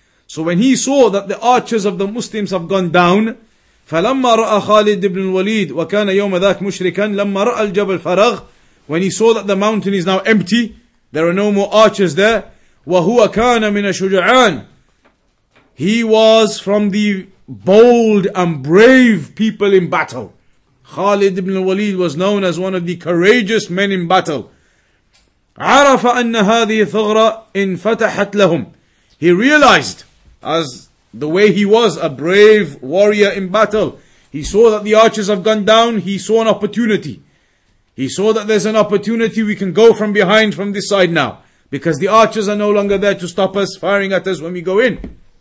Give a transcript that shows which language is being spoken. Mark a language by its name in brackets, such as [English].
[English] So when he saw that the archers of the Muslims have gone down, [Arabic] فَلَمَّا رَأَ خَالِدْ ابْنُ الْوَلِيدِ وَكَانَ يَوْمَ ذَاكْ مُشْرِكًا لَمَّا رَأَ الْجَبَلْ فَرَغْ. [English] When he saw that the mountain is now empty, there are no more archers there, [Arabic] وَهُوَ كَانَ مِنَ الشُّجَعَانِ. [English] He was from the bold and brave people in battle. Khalid ibn al-Walid was known as one of the courageous men in battle. [Arabic] عرف أن هذه ثغرة إن فتحت لهم. [English] He realized, as the way he was, a brave warrior in battle, he saw that the archers have gone down, he saw an opportunity. He saw that there's an opportunity, we can go from behind from this side now, because the archers are no longer there to stop us, firing at us when we go in.